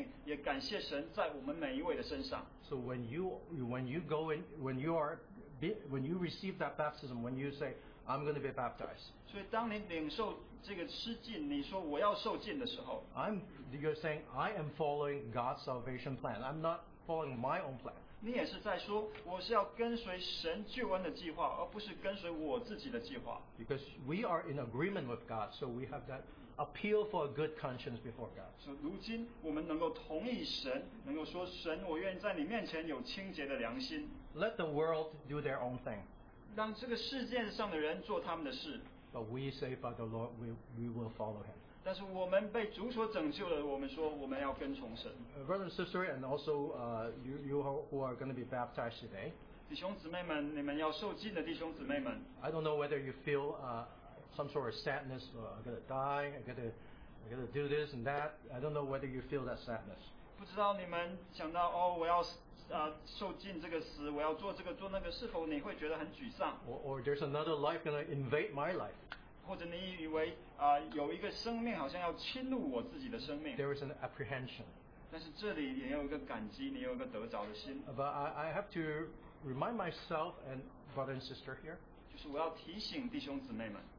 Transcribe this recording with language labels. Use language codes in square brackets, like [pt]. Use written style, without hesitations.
[zh] 那同样，这位复活的耶稣基督的生命也感谢神在我们每一位的身上。 [en] So when you receive that baptism, when you say, I'm going to be baptized. [zh] 所以当你领受这个施浸，你说我要受浸的时候， [en] you're saying, I am following God's salvation plan. I'm not following my own plan. [zh] 你也是在说，我是要跟随神救恩的计划，而不是跟随我自己的计划。 [en] Because we are in agreement with God, so we have that appeal for a good conscience before God. [zh] 如今我们能够同意神，能够说神，我愿在你面前有清洁的良心。 [en] Let the world do their own thing. [zh] 让这个世界上的人做他们的事。 [en] But we say, Father Lord, we will follow him. [zh] 但是我们被主所拯救了，我们说我们要跟从神。 [en] Brother and sister, and also you who are going to be baptized today. [zh] 弟兄姊妹们，你们要受浸的弟兄姊妹们。 [en] I don't know whether you feel some sort of sadness. Oh, I'm going to die. I'm going to do this and that. I don't know whether you feel that sadness. [zh] 不知道你们想到，哦，我要受尽这个死，我要做这个做那个，是否你会觉得很沮丧？ [en] Or there's another life going to invade my life. [zh] 或者你以为有一个生命好像要侵入我自己的生命。 [en] There is an apprehension. [zh] 但是这里也有一个感激，你有一个得着的心。 [en] But I have to remind myself and brother and sister here. [zh] 就是我要提醒弟兄姊妹们。